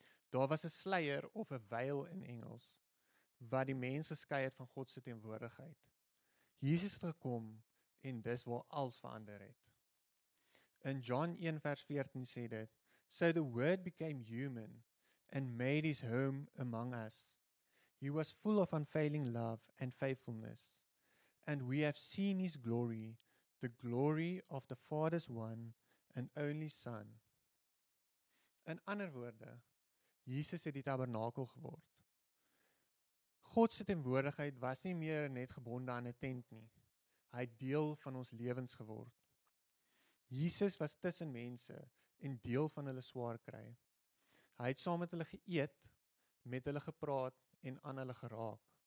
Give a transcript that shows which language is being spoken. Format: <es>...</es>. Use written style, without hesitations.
<af>Daar was 'n sluier of 'n veil in Engels, wat die mense skei het van God se teenwoordigheid. Jesus het gekom en dis waar alles verander het. In John 1 vers 14 sê dit,</af> <en>so the word became human and made his home among us. He was full of unfailing love and faithfulness. And we have seen his glory, the glory of the Father's one and only Son.</en> <af>In ander woorde, Jesus het die tabernakel geword. God se teenwoordigheid was nie meer net gebonde aan 'n tent nie. Hy het deel van ons lewens geword. Jesus was tussen mense en deel van hulle swaar kry. Hy het saam met hulle geëet, met hulle gepraat en aan hulle geraak.</af>